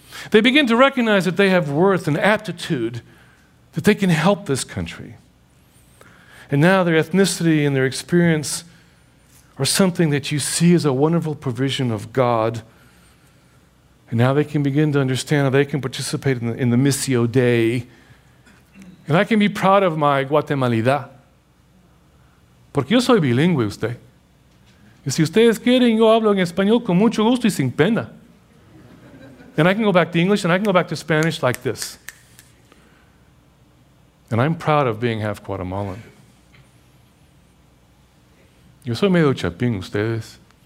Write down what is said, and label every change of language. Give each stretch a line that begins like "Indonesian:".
English: They begin to recognize that they have worth and aptitude, that they can help this country. And now their ethnicity and their experience are something that you see as a wonderful provision of God. And now they can begin to understand how they can participate in the Missio Dei. And I can be proud of my Guatemalidad.
Spanish: Porque yo soy bilingüe, usted. Y si ustedes quieren, yo hablo en español con mucho gusto y sin pena.
English: And I can go back to English and I can go back to Spanish like this. And I'm proud of being half Guatemalan.
Spanish: Yo soy medio chapín, ustedes.